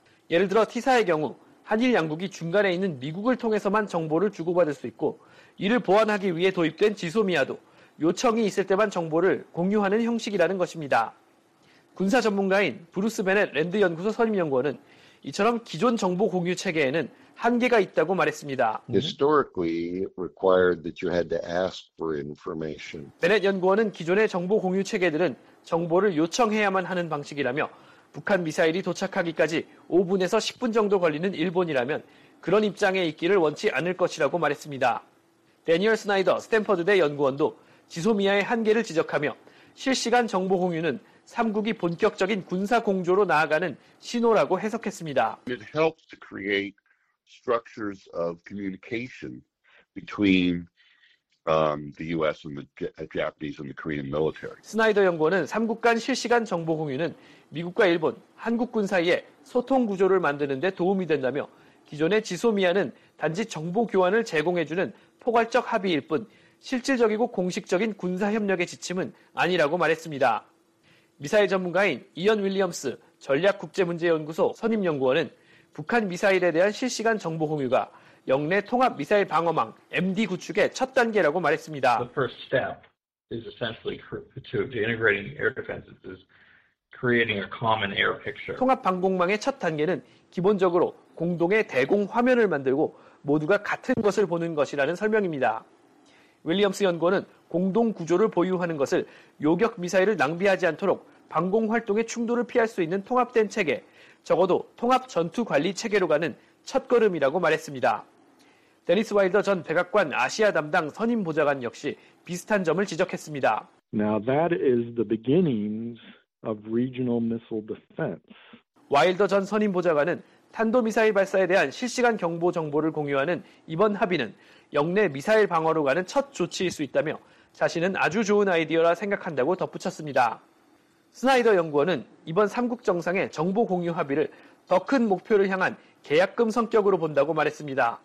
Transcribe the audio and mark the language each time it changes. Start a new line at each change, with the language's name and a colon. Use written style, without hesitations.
Korean: 예를 들어 T-4의 경우 한일 양국이 중간에 있는 미국을 통해서만 정보를 주고받을 수 있고 이를 보완하기 위해 도입된 지소미아도 요청이 있을 때만 정보를 공유하는 형식이라는 것입니다. 군사 전문가인 브루스 베넷 랜드 연구소 선임 연구원은 이처럼 기존 정보 공유 체계에는 한계가 있다고 말했습니다.
English: Historically required that you had to ask for information.
Korean: 베넷 연구원은 기존의 정보 공유 체계들은 정보를 요청해야만 하는 방식이라며 북한 미사일이 도착하기까지 5분에서 10분 정도 걸리는 일본이라면 그런 입장에 있기를 원치 않을 것이라고 말했습니다. 대니얼 스나이더 스탠퍼드대 연구원도 지소미아의 한계를 지적하며 실시간 정보 공유는 3국이 본격적인 군사 공조로 나아가는 신호라고 해석했습니다.
English: It helps to create structures of communication between the US and the Japanese and the Korean military.
Korean: 스나이더 연구원은 3국 간 실시간 정보 공유는 미국과 일본, 한국 군 사이의 소통 구조를 만드는 데 도움이 된다며 기존의 지소미아는 단지 정보 교환을 제공해 주는 포괄적 합의일 뿐 실질적이고 공식적인 군사협력의 지침은 아니라고 말했습니다. 미사일 전문가인 이언 윌리엄스 전략국제문제연구소 선임연구원은 북한 미사일에 대한 실시간 정보 공유가 영내 통합 미사일 방어망 MD 구축의 첫 단계라고 말했습니다.
English: The first step is essentially to integrating air defenses, creating a common air picture.
Korean: 통합 방공망의 첫 단계는 기본적으로 공동의 대공 화면을 만들고 모두가 같은 것을 보는 것이라는 설명입니다. 윌리엄스 연구원은 공동 구조를 보유하는 것을 요격 미사일을 낭비하지 않도록 방공 활동의 충돌을 피할 수 있는 통합된 체계, 적어도 통합 전투 관리 체계로 가는 첫 걸음이라고 말했습니다. 데니스 와일더 전 백악관 아시아 담당 선임 보좌관 역시 비슷한 점을 지적했습니다.
English: Now that is the beginnings of regional missile defense.
Korean: 와일더 전 선임 보좌관은 탄도미사일 발사에 대한 실시간 경보 정보를 공유하는 이번 합의는 영내 미사일 방어로 가는 첫 조치일 수 있다며 자신은 아주 좋은 아이디어라 생각한다고 덧붙였습니다. 스나이더 연구원은 이번 3국 정상의 정보 공유 합의를 더 큰 목표를 향한 계약금 성격으로 본다고 말했습니다.